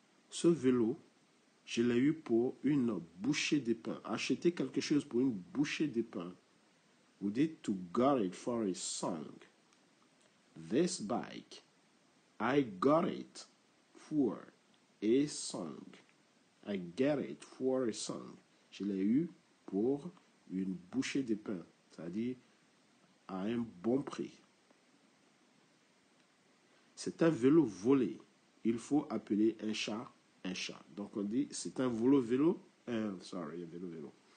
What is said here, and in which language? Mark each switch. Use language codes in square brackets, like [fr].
[fr] Ce vélo, je l'ai eu pour une bouchée de pain. Acheter quelque chose pour une bouchée de pain. [en] We did to got it for a song. This bike, I got it for a song. I get it for a song. [fr] Je l'ai eu pour une bouchée de pain, c'est-à-dire à un bon prix. C'est un vélo volé. Il faut appeler un chat un chat. Donc on dit c'est un vélo. Un vélo.